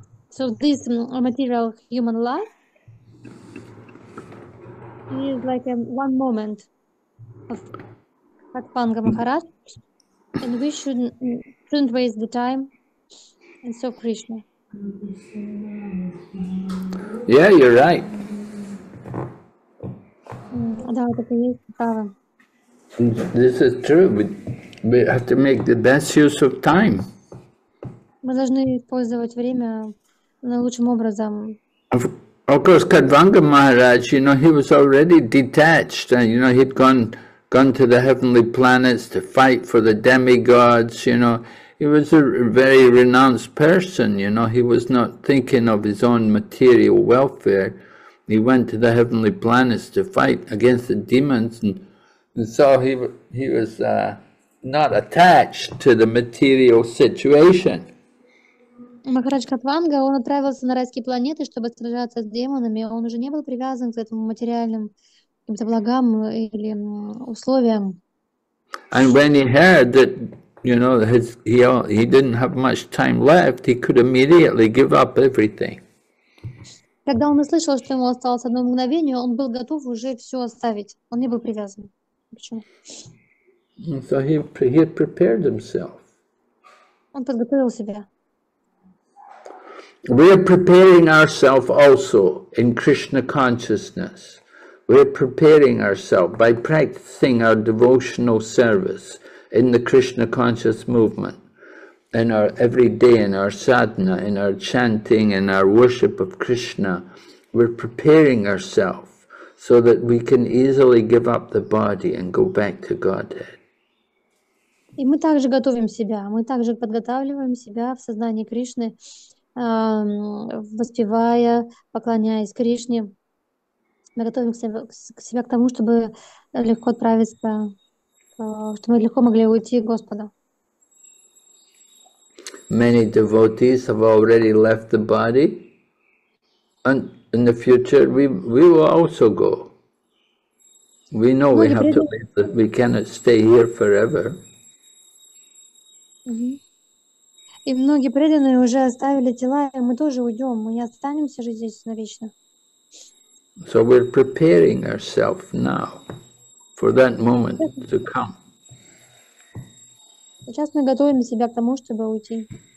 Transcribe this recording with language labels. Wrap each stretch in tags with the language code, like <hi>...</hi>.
<en>So this material human life is like a one moment of Katpanga Maharaj, and we shouldn't waste the time and serve Krishna. Yeah, you're right. This is true, but we have to make the best use of time.</en> <ru>Мы должны использовать время наилучшим образом.</ru> <en>Of course, Katvanga Maharaj, you know, he was already detached. You know, he'd gone to the heavenly planets to fight for the demigods, you know. He was a very renounced person, you know. He was not thinking of his own material welfare. He went to the heavenly planets to fight against the demons, and so he was not attached to the material situation.</en> <ru>Махарадж Катванга, он отправился на райские планеты, чтобы сражаться с демонами. Он уже не был привязан к этому материальным каким-то благам или условиям.</ru> <en>And when he heard that, you know, his, he didn't have much time left, he could immediately give up everything.</en> <ru>Когда он услышал, что ему осталось одно мгновение, он был готов уже все оставить. Он не был привязан. Почему?</ru> <en>So he prepared himself.</en> <ru>Он подготовил себя.</ru> <en>We are preparing ourselves also in Krishna consciousness. We are preparing ourselves by practicing our devotional service in the Krishna conscious movement, in our everyday, in our sadhana, in our chanting, in our worship of Krishna. We're preparing ourselves so that we can easily give up the body and go back to Godhead.</en> <ru>И мы также готовим себя. Мы также подготавливаем себя в сознании Кришны, воспевая, поклоняясь Кришне. Мы готовим себя к тому, чтобы легко отправиться, чтобы мы легко могли уйти к Господу.</ru> <en>Many devotees have already left the body, and in the future we will also go. We know we have to leave, that we cannot stay here forever.</en> <ru>И многие преданные уже оставили тела, и мы тоже уйдем, мы не останемся же здесь навечно.</ru> <en>So we're preparing ourselves now for that moment to come.</en> <ru>Сейчас мы готовим себя к тому, чтобы уйти.</ru>